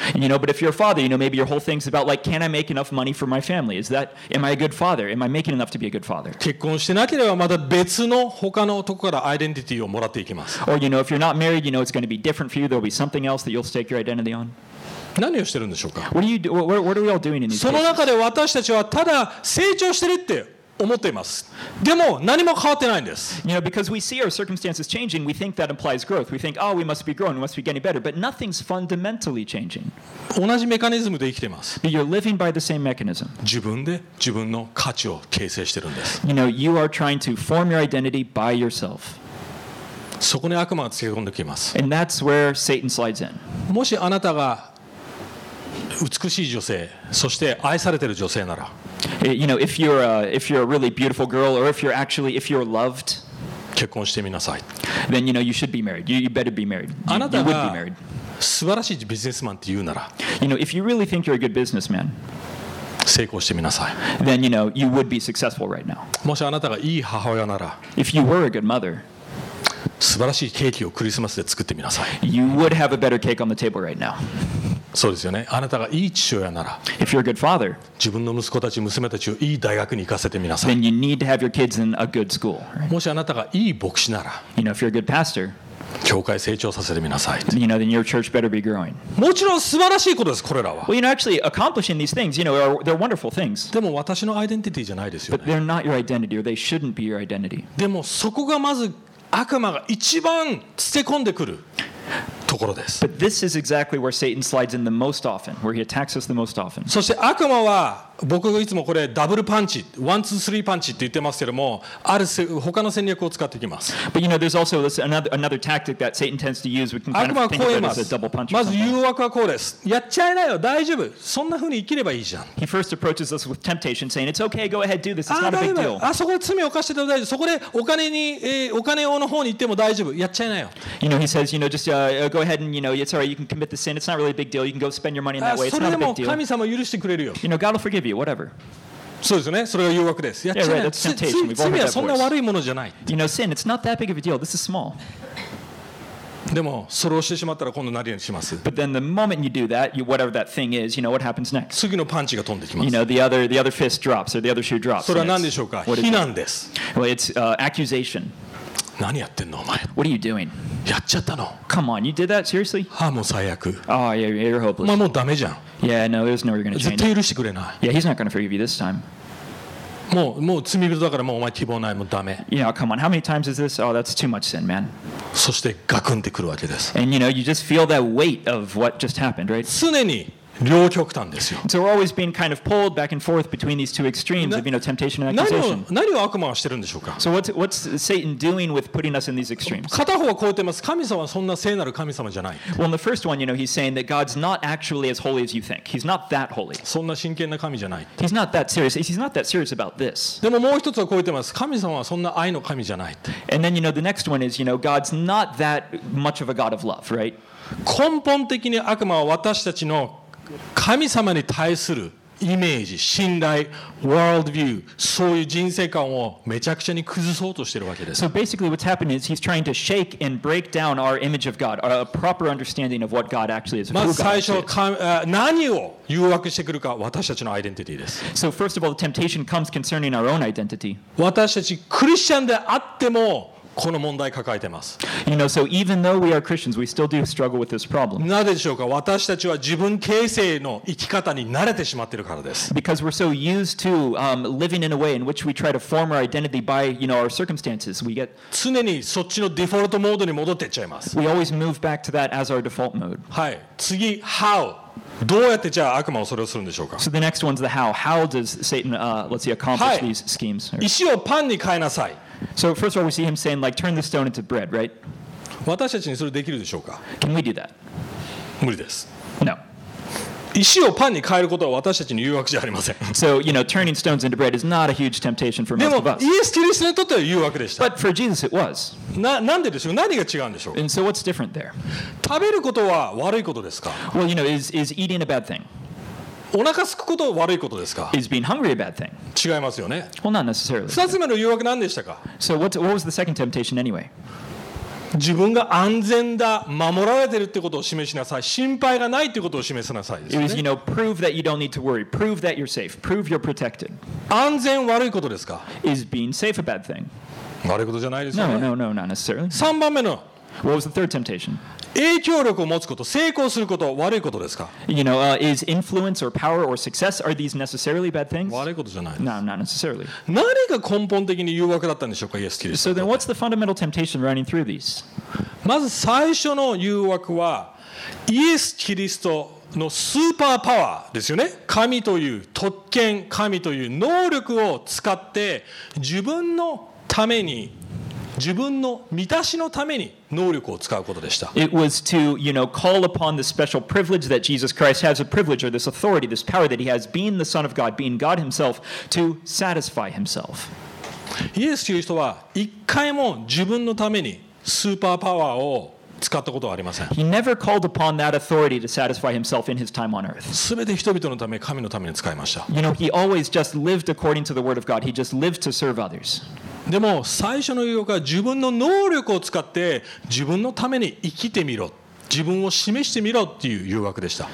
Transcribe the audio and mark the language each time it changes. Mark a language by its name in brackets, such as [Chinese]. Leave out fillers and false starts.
[English] And you know, but if you're a father, you know, maybe your whole thing is about like, can I make enough money for my family? Is that, am I a good father? Am I making enough to be a good father? [Japanese] 結婚してなければまた別の他の男からアイデンティティをもらっていきます。 [English] Or you know, if you're not married, you know, it's going to be different for you. There'll be something else that you'll stake your identity on. [Japanese] 何をしてるんでしょうか。 [English] What are you doing? What are we all doing in these [Japanese] その中で私たちはただ成長してるって思っています。でも何も変わってないんです。 [English] You know, because we see our circumstances changing, we think that implies growth. We think, oh, we must be growing, we must be getting better. But nothing's fundamentally changing. [Japanese] 同じメカニズムで生きてます。 [English] But you're living by the same mechanism. [Japanese] 自分で自分の価値を形成してるんです。 [English] You know, you are trying to form your identity by yourself. [Japanese] そこに悪魔がつけ込んできます。 [English] And that's where Satan slides in. [Japanese] もしあなたが美しい女性、そして愛されている女性なら、 [English] you know, if you're a really beautiful girl, or if you're loved, [Japanese] 結婚してみなさい。 [English] Then you know you should be married. You better be married. [Japanese] あなたが素晴らしいビジネスマンって言うなら、 [English] you know, if you really think you're a good businessman, [Japanese] 成功してみなさい。 [English] Then you know you would be successful right now. [Japanese] もしあなたがいい母親なら、 [English] if you were a good mother, [Japanese] 素晴らしいケーキをクリスマスで作ってみなさい。 [English] You would have a better cake on the table right now. [Japanese] そうですよね。あなたがいい父親なら、 [English] If you're a good father, [Japanese] 自分の息子たち娘たちをいい大学に行かせてみなさい。 [English] Then you need to have your kids in a good school, right? [Japanese] もしあなたがいい牧師なら、 [English] You know, if you're a good pastor, [Japanese] 教会成長させてみなさい。 [English] You know, then your church better be growing. [Japanese] もちろん素晴らしいことです。これらは。 [English] Well, you know, actually accomplishing these things, you know, they're wonderful things. [Japanese] でも私のアイデンティティじゃないですよね。 [English] But they're not your identity, or they shouldn't be your identity. [Japanese] でもそこがまず悪魔が一番捨て込んでくる。ところです。 [English] But this is exactly where Satan slides in the most often, where he attacks us the most often. [Japanese] そして悪魔は僕がいつもこれダブルパンチ、ワン、ツー、スリーパンチって言ってますけども、ある他の戦略を使ってきます。 [English] But you know, there's also another tactic that Satan tends to use. We can kind of think of it as a double punch. [Japanese] まず誘惑はこうです。やっちゃいなよ、大丈夫。そんな風に生きればいいじゃん。 [English] He first approaches us with temptation, saying, "It's okay, go ahead, do this. It's not a big deal." [Japanese] あ、そこで罪を犯してても大丈夫。そこでお金の方に行っても大丈夫。やっちゃいなよ。 [English] You know, he says, you know, just go ahead and you know, it's alright. You can commit the sin. It's not really a big deal. You can go spend your money in that way. It's not a big deal. [Japanese] それでも神様許してくれるよ。 [English] You know, God will forgive you. Whatever. [Japanese] そうですね。それが誘惑です。やっちゃ [English] ね。Yeah, right. That's temptation. [Japanese] 罪はそんな悪いものじゃない。 [English] You know, sin, it's not that big of a deal. This is small. [Japanese] でもそれをしてしまったら今度何をします。 [English] But then the moment you do that, whatever that thing is, you know what happens next? [Japanese] 次のパンチが飛んできます。 [English] You know, the other fist drops or the other shoe drops. [Japanese] それは何でしょうか。非難です。 [English] Well, it's accusation. [Japanese] 何やってんのお前。 [English] What are you doing? [Japanese] やっちゃったの。 [English] Come on, you did that seriously? [Japanese] ああもう最悪。 [English] Oh, yeah, you're hopeless. [Japanese] お前もうダメじゃん。 [English] Yeah, no, there's no way you're gonna change. [Japanese] 絶対許してくれない。 [English] Yeah, he's not gonna forgive you this time. [Japanese] もう罪人だからもうお前希望ないもうダメ。 [English] Yeah, come on, how many times is this? Oh, that's too much sin, man. [Japanese] そしてガクンってくるわけです。 [English] And you know, you just feel that weight of what just happened, right? [Japanese] 常に両極端ですよ。 [English] So we're always being kind of pulled back and forth between these two extremes of, you know, temptation and accusation. [Japanese] 何を悪魔はしてるんでしょうか。 [English] So what's Satan doing with putting us in these extremes? [Japanese] 片方はこう言ってます。神様はそんな聖なる神様じゃない。 [English] Well, in the first one, you know, he's saying that God's not actually as holy as you think. He's not that holy. [Japanese] そんな真剣な神じゃない。 [English] He's not that serious. He's not that serious about this. [Japanese] でももう一つはこう言ってます。神様はそんな愛の神じゃない。 [English] And then, you know, the next one is, you know, God's not that much of a God of love, right? [Japanese] 根本的に悪魔は私たちの神様に対するイメージ、信頼、ワールドビュー、そういう人生観をめちゃくちゃに崩そうとしているわけです。 [English] So basically what's happening is he's trying to shake and break down our image of God, a proper understanding of what God actually is. [Japanese] まず最初、何を誘惑してくるか、私たちのアイデンティティです。 [English] So first of all, the temptation comes concerning our own identity. [Japanese] 私たちクリスチャンであっても、この問題抱えてます。 [English] You know, so even though we are Christians, we still do struggle with this problem. [Japanese] なぜでしょうか。私たちは自分形成の生き方に慣れてしまっているからです。 [English] Because we're so used to living in a way in which we try to form our identity by, you know, our circumstances, we get [Japanese] 常にそっちのデフォルトモードに戻っていっちゃいます。 [English] We always move back to that as our default mode. [Japanese] はい。次、how? どうやってじゃあ悪魔をそれをするんでしょうか。 [English] So the next one's the how. How does Satan, accomplish these schemes? [Japanese] 石をパンに変えなさい。 [English] So first of all, we see him saying, like, turn the stone into bread, right? [Japanese] 私たちにそれできるでしょうか。 [English] Can we do that? [Japanese] 無理です。 [English] No. [Japanese] 石をパンに変えることは私たちの誘惑じゃありません。 [English] So, you know, turning stones into bread is not a huge temptation for most of us. [Japanese] でも、イエス・キリストにとっては誘惑でした。 [English] But for Jesus it was. [Japanese] なんででしょう？何が違うんでしょう？ [English] And so what's different there? [Japanese] 食べることは悪いことですか？ [English] Well, you know, is eating a bad thing? [Japanese] お腹すくことは悪いことですか？ [English] Is being hungry a bad thing? [Japanese] 違いますよね。 [English] Well, not necessarily. [Japanese] 二つ目の誘惑何でしたか？ [English] So what was the second temptation anyway? [Japanese] 自分が安全だ、守られてるってことを示しなさい、心配がないってことを示しなさいですね。 [English] It is, you know, prove that you don't need to worry. Prove that you're safe. Prove you're protected. [Japanese] 安全悪いことですか？ [English] Is being safe a bad thing? [Japanese] 悪いことじゃないですよね。 [English] No, not necessarily. [Japanese] 3番目の。 [English] What was the third temptation? [Japanese] 影響力を持つこと、成功すること、悪いことですか？ [English] You know, is influence or power or success, are these necessarily bad things? [Japanese] 悪いことじゃないです。 [English] No, not necessarily. [Japanese] 何が根本的に誘惑だったんでしょうか、イエス・キリスト。 [English] So then what's the fundamental temptation running through these? [Japanese] まず最初の誘惑は、イエス・キリストのスーパーパワーですよね。神という特権、神という能力を使って、自分のために、自分の満たしのために能力を使うことでした。 [English] It was to, you know, call upon the special privilege that Jesus Christ has, a privilege or this authority, this power that he has, being the Son of God, being God himself, to satisfy himself. [Japanese] イエスという人は一回も自分のためにスーパーパワーを使ったことはありません。 [English] He never called upon that authority to satisfy himself in his time on earth. [Japanese] 全て人々のため、神のために使いました。 [English] You know, he always just lived according to the word of God. He just lived to serve others. [Japanese] でも最初の誘惑は自分の能力を使って自分のために生きてみろ、自分を示してみろっていう誘惑でした。